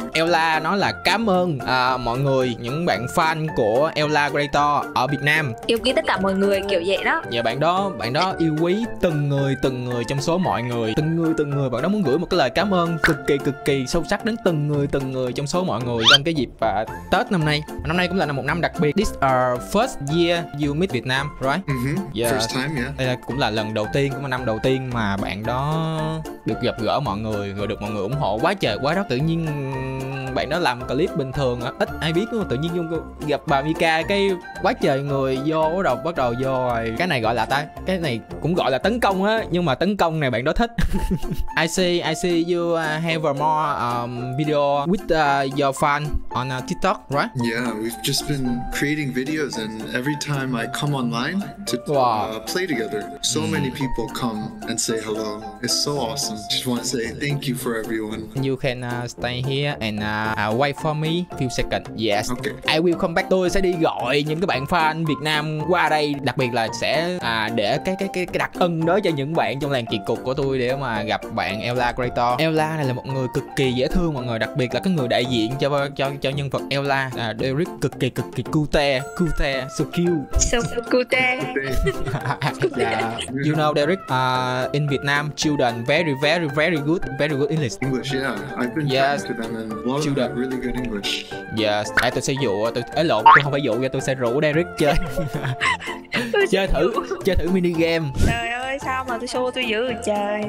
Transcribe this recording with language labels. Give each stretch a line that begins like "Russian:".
Vietnamese: Ella nói là cảm ơn mọi người, những bạn fan của Ella Greater ở Việt Nam. Yêu quý tất cả mọi người kiểu vậy đó. Dạ, bạn đó yêu quý từng người trong số mọi người. Từng người, bạn đó muốn gửi một cái lời cảm ơn cực kỳ sâu sắc đến từng người trong số mọi người trong cái dịp Tết năm nay. Năm nay cũng là một năm đặc biệt.
English: This our first year you meet Việt Nam, right? Mm-hmm. Yeah. First time, yeah.
Vietnamese: Đây là cũng là lần đầu tiên, cũng là năm đầu tiên mà bạn đó được gặp gỡ mọi người, rồi được mọi người ủng hộ quá trời quá đất. Tự nhiên bạn đó làm clip bình thường ít ai biết, tự nhiên gặp bà Mika cái quá trời người vô, bắt đầu vô rồi. Cái này gọi là ta, cái này cũng gọi là tấn công á, nhưng mà tấn công này bạn đó thích.
English: I see you have more video with your fan on TikTok, right? Yeah, we've just been creating videos, and every time I come online to play together, so many people come and say hello. It's so awesome. Just want to say thank you for everyone. You can stay here and wait for me few seconds. Yes. Okay. I will come back.
Vietnamese: Tôi sẽ đi gọi những cái bạn fan Việt Nam qua đây, đặc biệt là sẽ để cái đặc ân đó cho những bạn trong làng kỳ cục của tôi, để mà gặp bạn Ella Greater. Ella này là một người cực kỳ dễ thương mọi người, đặc biệt là cái người đại diện cho nhân vật Ella, Derek, cực kỳ cute,
English: so cute. So cute. Yeah. You know Derek, in Vietnam children very good English. Yeah, I've been talking to them and love children. Them really good English. Yes.
Vietnamese: Để tôi sẽ dụ, tôi không phải dụ, tôi sẽ rủ Derek chơi. chơi thử mini game. Trời ơi, sao mà tôi show tôi dữ trời.